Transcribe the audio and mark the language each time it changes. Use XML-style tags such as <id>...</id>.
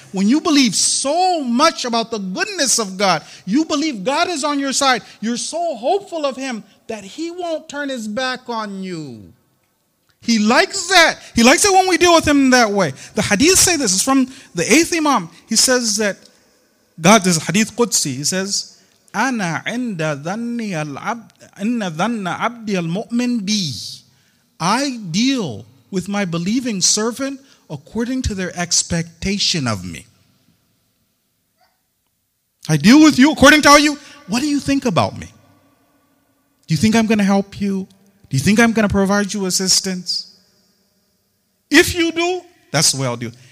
<en>When you believe so much about the goodness of God, you believe God is on your side, you're so hopeful of him that he won't turn his back on you. He likes that. He likes it when we deal with him that way. The hadith say this. It's from the 8th Imam. He says that God, this is hadith Qudsi. He says,</en> <ar>أَنَا عِنْدَ ذَنِّيَ الْعَبْدِ إِنَّ ذَنَّ عَبْدِيَ الْمُؤْمِنْ بِي.</ar> <en>I deal with my believing servant according to their expectation of me. I deal with you according to how you, what do you think about me? Do you think I'm going to help you? Do you think I'm going to provide you assistance? If you do, that's the way I'll do.</en>